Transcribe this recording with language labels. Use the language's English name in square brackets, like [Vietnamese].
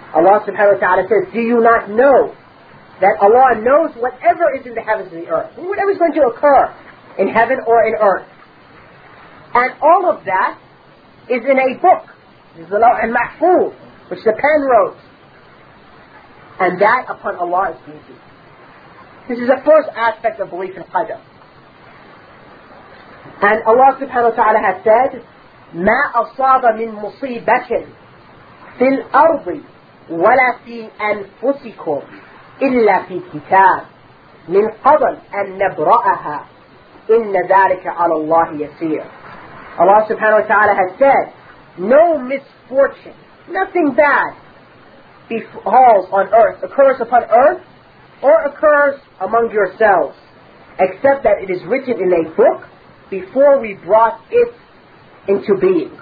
[English] Allah subhanahu wa ta'ala says, do you not know that Allah knows whatever is in the heavens and the earth, whatever is going to occur in heaven or in earth? And all of that is in a book. This is the Lawh al-Mahfuz, which the pen wrote. And that upon Allah is easy. This is the first aspect of belief in Qadr. [Arabic] And Allah subhanahu wa ta'ala has said, مَا أَصَابَ مِن مُصِيبَةٍ فِي الْأَرْضِ وَلَا فِي أَنفُسِكُمْ إِلَّا فِي كِتَابٍ مِن قَبَلْ أَن نَبْرَأَهَا إِنَّ ذَلِكَ عَلَى اللَّهِ يَسِيرٌ. [English] Allah subhanahu wa ta'ala has said, no misfortune, nothing bad befalls on earth, occurs upon earth, or occurs among yourselves, except that it is written in a book before we brought it into being.